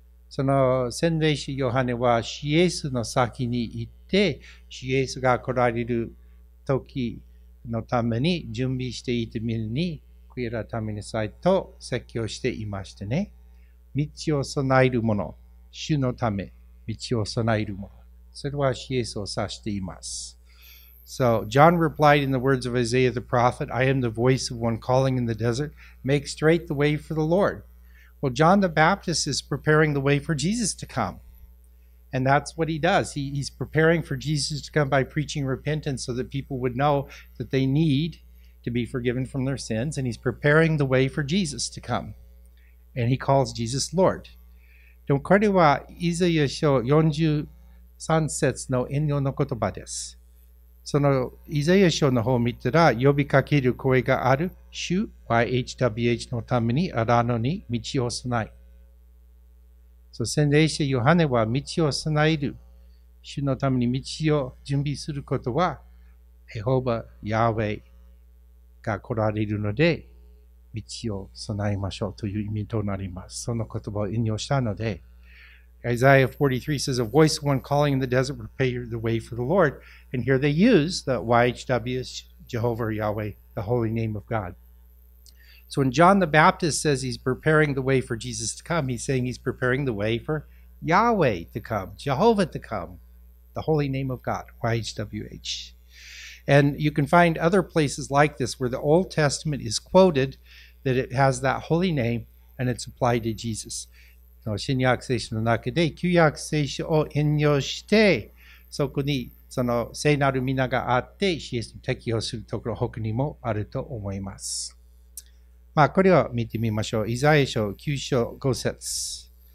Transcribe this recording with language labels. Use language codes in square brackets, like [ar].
[ja] その洗礼師ヨハネはイエスの先に行って、イエスが来られる時のために準備していてみるに、悔い改めなさいと説教していましてね。道を備える者、主のため、道を備える者。それはイエスを指しています。 [en] So John replied in the words of Isaiah the prophet, I am the voice of one calling in the desert, make straight the way for the Lord. Well, John the Baptist is preparing the way for Jesus to come. And that's what he does. He's preparing for Jesus to come by preaching repentance so that people would know that they need to be forgiven from their sins. And he's preparing the way for Jesus to come. And he calls Jesus Lord. [ja] でもこれはイザヤ書43節の引用の言葉です。そのイザヤ書の方を見たら呼びかける声がある主 YHWH のために荒野に道を備え。そう、洗礼者ヨハネは道を備える主のために道を準備することはエホバヤーウェイが来られるので道を備えましょうという意味となります。その言葉を引用したので [en] Isaiah 43 says, A voice of one calling in the desert, prepare the way for the Lord. And here they use the YHW, Jehovah Yahweh, the holy name of God. So when John the Baptist says he's preparing the way for Jesus to come, he's saying he's preparing the way for Yahweh to come, Jehovah to come, the holy name of God, YHWH. And you can find other places like this where the Old Testament is quoted that it has that holy name and it's applied to Jesus. [ja] 新約聖書の中で旧約聖書を引用してそこにその聖なる皆があってイエスに適用するところ他にもあると思います。まあこれを見てみましょう。イザヤ書9章5節、